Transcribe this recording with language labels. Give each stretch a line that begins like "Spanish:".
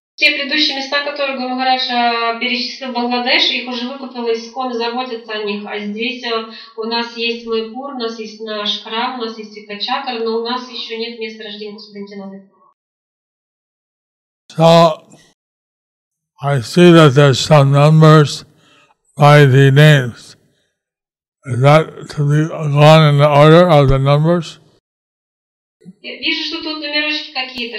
Russian: Все предыдущие места, которые Гуру Махарадж перечислил в Бангладеш, их уже выкупили, ИСККОН заботится о них. А здесь у нас есть Майпур, у нас есть наш храм, у нас есть Икачакар, но у нас еще нет места рождения Господинтинады.
English: So, I see that there's some numbers by the names. Is that to be gone in the order of the numbers?
Russian: Я вижу, что тут номерочки какие-то.